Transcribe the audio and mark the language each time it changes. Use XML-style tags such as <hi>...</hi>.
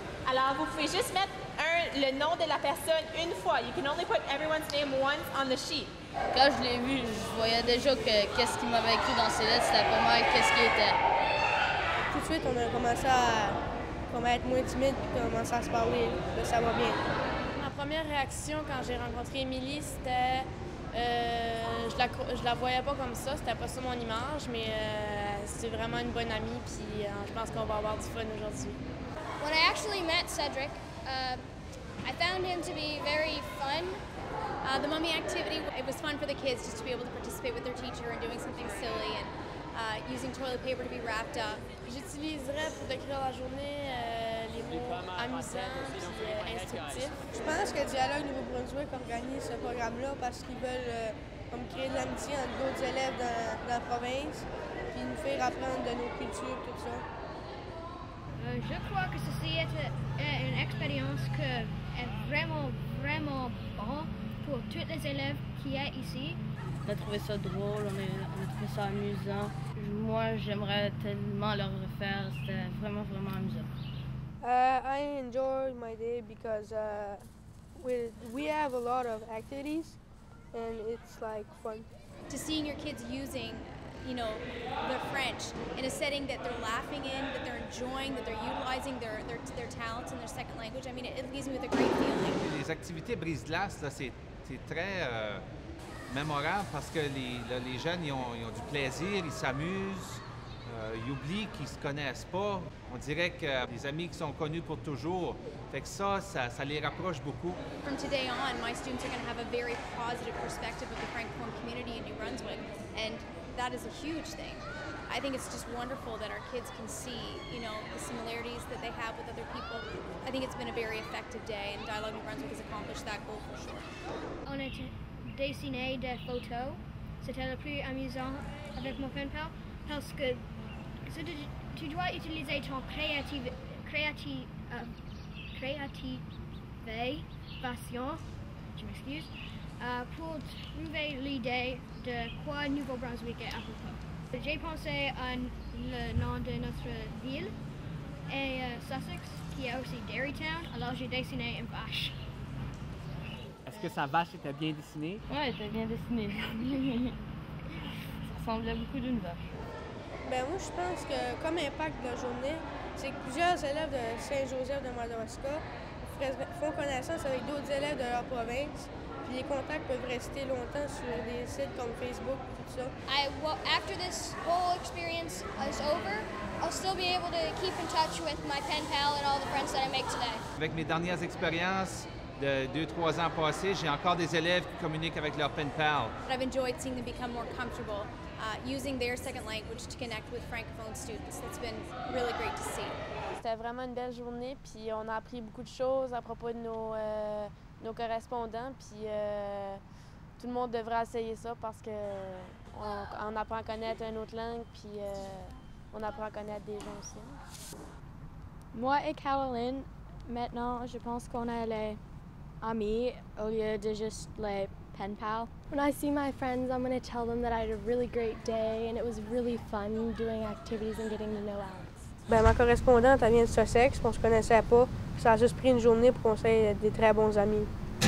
<fr>Alors, vous pouvez juste mettre le nom de la personne une fois.</fr> <en>You can only put everyone's name once on the sheet.</en> <fr>Quand je l'ai vu, je voyais déjà que qu'est-ce qu'il m'avait écrit dans ses lettres, c'était pour moi qu'est-ce qu'il était. Tout de suite, on a commencé à être moins timide puis commencer à se parler, là, ça va bien. Ma première réaction quand j'ai rencontré Émilie, c'était... je la voyais pas comme ça, c'était pas ça mon image, mais c'est vraiment une bonne amie puis je pense qu'on va avoir du fun aujourd'hui.</fr> <en>When I actually met Cedric, I found him to be very fun. The mummy activity, it was fun for the kids just to be able to participate with their teacher and doing something silly and using toilet paper to be wrapped up.</en> <fr>J'utiliserais pour décrire la journée les mots amusants et instructifs. Je pense que Dialogue Nouveau-Brunswick organise ce programme-là parce qu'ils veulent comme créer de l'amitié entre d'autres élèves dans la province puis nous faire apprendre de nos cultures, tout ça. Je crois que ceci est une expérience qui est vraiment, vraiment bonne pour tous les élèves qui sont ici. On a trouvé ça drôle, on a trouvé ça amusant. Moi, j'aimerais tellement le refaire, c'était vraiment, vraiment amusant.</fr> <en>I enjoyed my day because we have a lot of activities and it's like fun. To seeing your kids using, you know, the French in a setting that they're laughing in, that they're enjoying, that they're utilizing their talents in their second language. I mean, it leaves me with a great feeling.</en> <fr>Les activités brise-glace, là, c'est très mémorable parce que les jeunes, ils ont du plaisir, ils s'amusent, ils oublient qu'ils se connaissent pas. On dirait que les amis qui sont connus pour toujours, fait que ça les rapproche beaucoup.</fr> <en>From today on, my students are going to have a very positive perspective of the Francophone community in New Brunswick. And that is a huge thing. I think it's just wonderful that our kids can see, you know, the similarities that they have with other people. I think it's been a very effective day, and Dialogue New Brunswick has accomplished that goal for sure.</en> <fr>On a dessiné des photos. C'était le plus amusant avec mon pen pal parce que tu dois utiliser ton créativité, je m'excuse, pour trouver l'idée de quoi Nouveau-Brunswick est à propos. J'ai pensé à le nom de notre ville et Sussex, qui est aussi Dairytown, alors j'ai dessiné une vache. Est-ce que sa vache était bien dessinée? Ouais, elle était bien dessinée. Ça ressemblait beaucoup d'une vache. Ben moi, je pense que comme impact de la journée, c'est que plusieurs élèves de Saint-Joseph de Madawaska font connaissance avec d'autres élèves de leur province. Les contacts peuvent rester longtemps sur des sites comme Facebook et tout ça.</fr> <en>After this whole experience is over, I'll still be able to keep in touch with my pen pal and all the friends that I make today.</en> <fr>Avec mes dernières expériences, de 2-3 ans passés, j'ai encore des élèves qui communiquent avec leur pen pal.</fr> <en>I've enjoyed seeing them become more comfortable using their second language to connect with francophone students. It's been really great to see.</en> <fr>C'était vraiment une belle journée, puis on a appris beaucoup de choses à propos de nos nos correspondants, puis tout le monde devrait essayer ça parce que on apprend à connaître une autre langue, puis on apprend à connaître des gens aussi. Moi et Caroline, maintenant, je pense qu'on est les amis au lieu de juste les pen pals.</fr> <en>When I see my friends, I'm going to tell them that I had a really great day and it was really fun doing activities and getting to know Alex.</en> <fr>Ben, ma correspondante, elle vient de Sussex, on se connaissait pas. Ça a juste pris une journée pour qu'on soit des très bons amis.</fr>